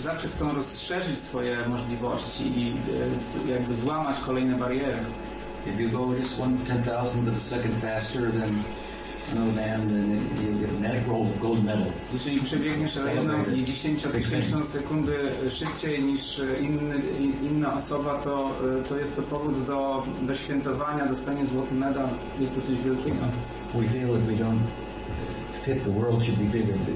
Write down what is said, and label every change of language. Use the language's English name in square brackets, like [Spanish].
[Polish] Zawsze chcą rozszerzyć swoje możliwości i jakby złamać kolejne bariery. [English] If you go just 1/10,000th of a second faster than another man, then you get a medical gold medal. [Polish] Jeżeli przebiegniesz o 1/10,000 sekundy szybciej niż inna osoba, to jest to powód do świętowania, dostanie złoty medal. Jest to coś wielkiego. [English] We feel if we don't fit, the world should be bigger.